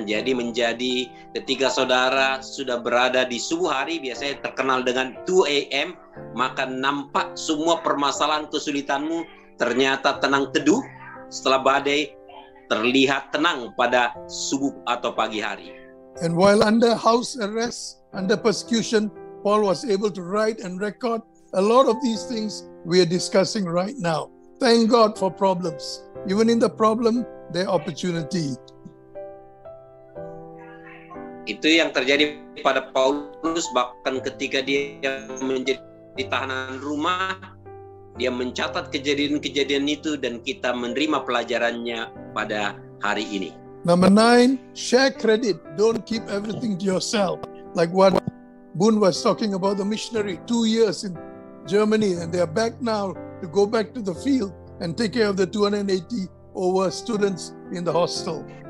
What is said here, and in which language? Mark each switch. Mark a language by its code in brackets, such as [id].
[id] Jadi menjadi ketika saudara sudah berada di subuh hari, biasanya terkenal dengan 2 a.m., maka nampak semua permasalahan kesulitanmu ternyata tenang teduh setelah badai terlihat tenang pada subuh atau pagi hari. [en] And while under house arrest, under persecution, Paul was able to write and record a lot of these things we are discussing right now. Thank God for problems. Even in the problem, there are opportunity. [id] Itu yang terjadi pada Paulus, bahkan ketika dia menjadi tahanan rumah, dia mencatat kejadian-kejadian itu dan kita menerima pelajarannya pada hari ini. [en] Number 9, share credit. Don't keep everything to yourself. Like what Boon was talking about, the missionary 2 years in Germany, and they are back now to go back to the field and take care of the 280 over students in the hostel.